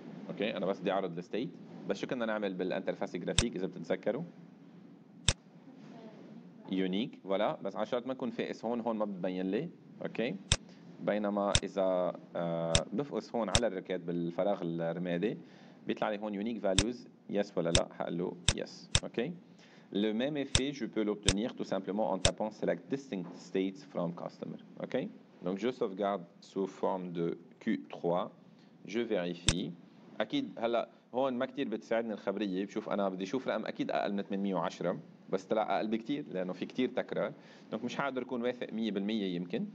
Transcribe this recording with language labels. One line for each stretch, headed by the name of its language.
Arabic: اوكي انا بس بدي اعرض الستيت، بس شو كنا نعمل بالانترفاس جرافيك اذا بتتذكروا؟ يونيك ولا بس عشان ما يكون فائس هون ما بتبين لي. اوكي بينما اذا بفقس هون على الركات بالفراغ الرمادي بيطلع لي هون يونيك فاليوز يس ولا لا، حقول له يس.
French: اوكي le même effet je peux l'obtenir tout simplement en tapant select distinct states from customer. OK donc je sauvegarde sous forme de q3 je vérifie
Arabic: اكيد هلا هون ما كتير بتساعدني الخبريه، بشوف انا بدي اشوف رقم اكيد اقل من 810 بس طلع اقل بكتير لانه في كتير تكرار، دونك مش حقدر اكون واثق 100% يمكن.